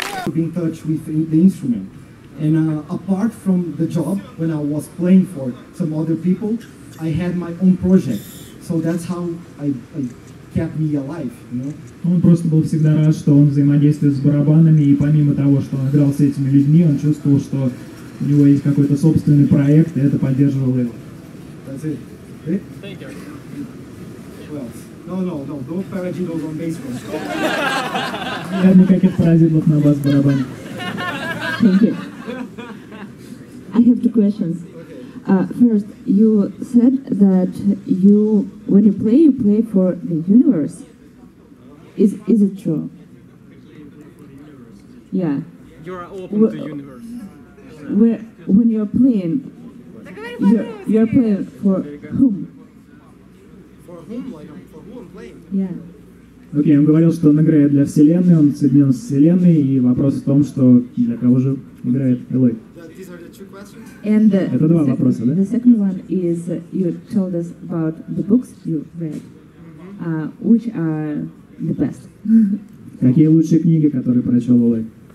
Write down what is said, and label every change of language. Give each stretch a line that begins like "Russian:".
English: The instrument, and apart from the job when I was playing for some other people, I had my own project. So that's how I kept me alive. You know.
Russian: Он просто был всегда рад, что он взаимодействует с барабанами, и помимо того, что он играл с этими людьми, он чувствовал, что у него есть какой-то собственный проект, и это поддерживало его.
English: That's it. Okay? Thank you. Who else? No. Don't paradiddle on bass drum.
Russian: Нет никаких паразитов на бас барабане.
English: Thank you. I have two questions. First, you said that you, when you play for the universe. Is it true? Yeah. You're open to universe. When you're playing, you're playing for whom? For whom? Like, for who I'm playing? Yeah.
Russian: Окей, он говорил, что он играет для Вселенной, он соединен с Вселенной, и вопрос в том, что для кого же играет Элой. Это два вопроса, да?
English: The second one is, you told us about the books you read. Which are the best?
Russian: Какие лучшие книги, которые прочел Элой?